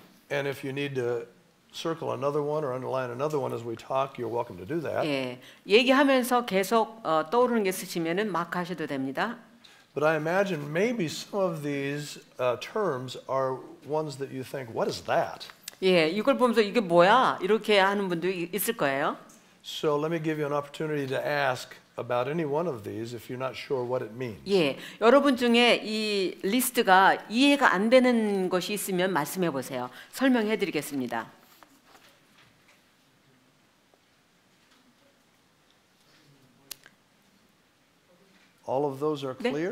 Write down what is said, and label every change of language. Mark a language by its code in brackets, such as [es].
[en] And if you need to circle another one or underline another one as we talk, you're welcome to do that. [ko] 예, 얘기하면서 계속 떠오르는 게 있으시면은 마크 하셔도 됩니다. [en] But I imagine maybe some of these terms are ones that you think, what is that? [ko] 예, 이걸 보면서 이게 뭐야? 이렇게 하는 분도 있을 거예요. [en] So let me give you an opportunity to ask about any one of these if you're not sure what it means. [ko] 예, 여러분 중에 이 리스트가 이해가 안 되는 것이 있으면 말씀해 보세요. 설명해 드리겠습니다. [en] All of those are clear?